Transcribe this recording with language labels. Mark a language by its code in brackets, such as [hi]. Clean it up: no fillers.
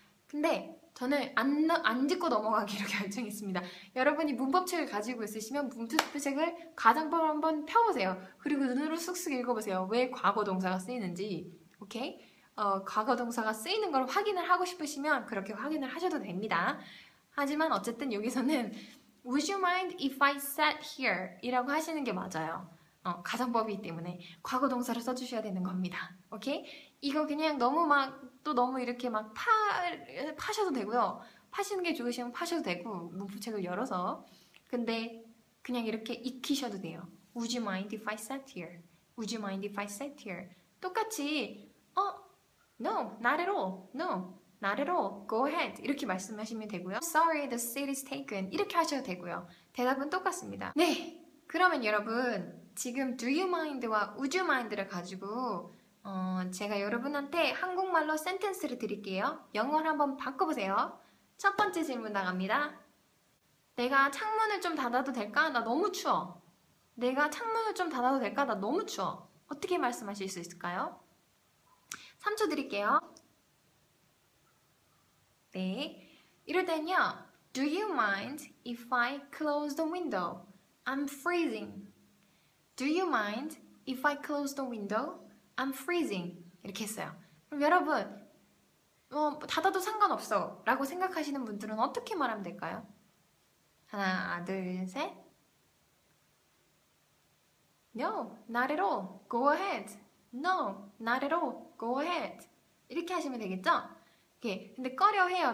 [ko] 근데 저는 안 짚고 넘어가기로 결정했습니다. 여러분이 문법책을 가지고 있으시면 문법책을 가정법 한번 펴보세요. 그리고 눈으로 쑥쑥 읽어보세요. 왜 과거 동사가 쓰이는지. 오케이? 과거 동사가 쓰이는 걸 확인을 하고 싶으시면 그렇게 확인을 하셔도 됩니다. 하지만 어쨌든 여기서는 [en] Would you mind if I sat here? [ko] 이라고 하시는 게 맞아요. 가정법이기 때문에 과거 동사를 써주셔야 되는 겁니다. 오케이? 이거 그냥 너무 막 또 너무 이렇게 막 파셔도 되고요. 파시는 게 좋으시면 파셔도 되고 문법책을 열어서 근데 그냥 이렇게 익히셔도 돼요. [en] Would you mind if I sat here? Would you mind if I sat here? [ko] 똑같이 [en] No, not at all. No. Not at all. Go ahead. [ko] 이렇게 말씀하시면 되고요. [en] Sorry, the seat is taken. [ko] 이렇게 하셔도 되고요. 대답은 똑같습니다. 네, 그러면 여러분 지금 do you mind와 would you mind를 가지고 제가 여러분한테 한국말로 sentence를 드릴게요. 영어를 한번 바꿔보세요. 첫 번째 질문 나갑니다. 내가 창문을 좀 닫아도 될까? 나 너무 추워. 내가 창문을 좀 닫아도 될까? 나 너무 추워. 어떻게 말씀하실 수 있을까요? 3초 드릴게요. 네, 이럴 때는요. [en] Do you mind if I close the window? I'm freezing. Do you mind if I close the window? I'm freezing. [ko] 이렇게 했어요. 그럼 여러분, 닫아도 상관없어 라고 생각하시는 분들은 어떻게 말하면 될까요? 하나, 둘, 셋. [en] No, not at all. Go ahead. No, not at all. Go ahead. [ko] 이렇게 하시면 되겠죠? 오케이. 근데 꺼려 해요.